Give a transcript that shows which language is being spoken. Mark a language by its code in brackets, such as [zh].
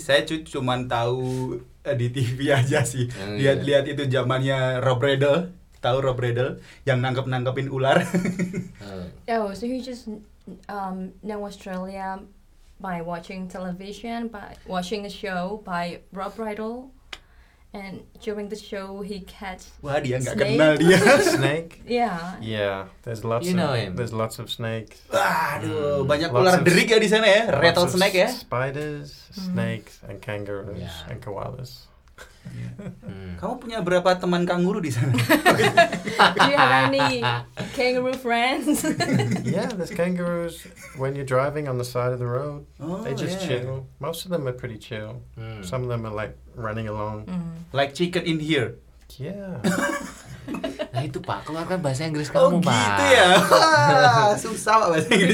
[id] Saya cuma tahu di TV aja sih. Lihat-lihat itu zamannya Rob Riddle. Tahu Rob Riddle yang nangkep-nangkepin ular. [en] Oh, so you just know Australia by watching television, by watching a show by Rob Riddle. And during the show, he catch snake. [id] Wah, dia nggak kenal dia. [en] Snake? Yeah. Yeah, there's lots you know of him. There's lots of snakes. [id] Aduh, banyak ular derik ya di sana ya. Rattlesnake ya. [en] Spiders, snakes, and kangaroos, and koalas. [id] Kamu punya berapa teman kanguru di sana? [en] Do you have any kangaroo friends? Yeah, there's kangaroos when you're driving on the side of the road. Oh, they just chill. Most of them are pretty chill. Some of them are like running along. Like chicken in here. Yeah. [id] Nah itu Pak, keluarkan bahasa Inggris kamu, Pak. Oh gitu Pak. Ya. Susah Pak bahasa Inggris.